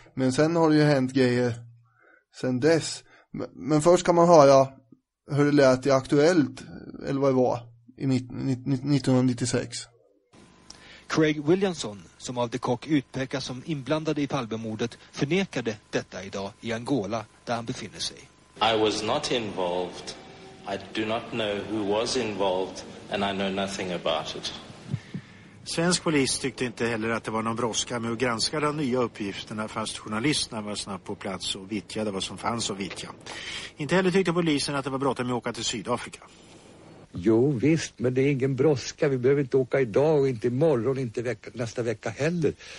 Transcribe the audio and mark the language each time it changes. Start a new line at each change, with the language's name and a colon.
Swedish: Men sen har det ju hänt grejer sen dess. Men först kan man höra hur det lät i Aktuellt, eller vad det var, i 1996. Craig Williamson, som av de Kock utpekas som inblandad i Palmemordet, förnekade detta idag i Angola, där han befinner sig.
English: I was not involved. I do not know who was involved and I know nothing about it.
Swedish: Svensk polis tyckte inte heller att det var någon brådska med att granska de nya uppgifterna, fast journalisterna var snabbt på plats och vittjade vad som fanns och vittjade. Inte heller tyckte polisen att det var bråttom att åka till Sydafrika. Jo visst, men det är ingen brådska. Vi behöver inte åka idag och inte imorgon, inte vecka, nästa vecka heller.